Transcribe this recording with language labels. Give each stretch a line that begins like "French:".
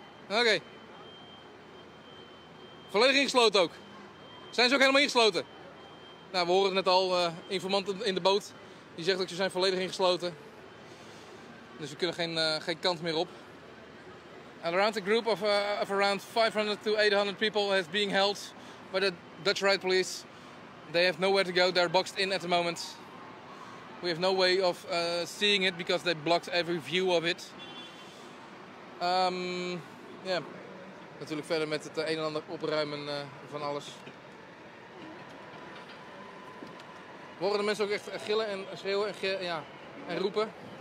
Dutch: Oké. Volledig ingesloten ook. Zijn ze ook helemaal ingesloten? Nou, we horen het net al, informant in de boot. Die zegt dat ze zijn volledig ingesloten. Dus we kunnen geen kant meer op.
English: And around a group of around 500 to 800 people has been held by the Dutch riot police. They have nowhere to go. They're boxed in at the moment. We have no way of seeing it because they blocked every view of it. Yeah.
Dutch: Natuurlijk verder met het een en ander opruimen van alles. We horen de mensen ook echt gillen en schreeuwen en roepen.